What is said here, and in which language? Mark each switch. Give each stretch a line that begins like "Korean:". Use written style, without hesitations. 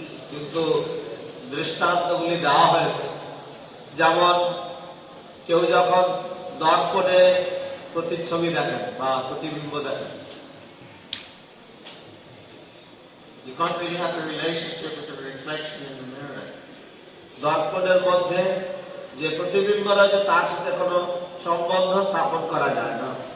Bangla: কিন্তু দৃষ্টান্ত গুলি দেওয়া হয়েছে, যেমন কেউ যখন দর্পণে প্রতিচ্ছবি দেখেন বা প্রতিবিম্ব দেখেন।
English: You can't really have a relationship with a reflection in the mirror.
Bangla: দর্পণের মধ্যে যে প্রতিবিম্ব রয়েছে তার সাথে কোন সম্বন্ধ স্থাপন করা যায় না।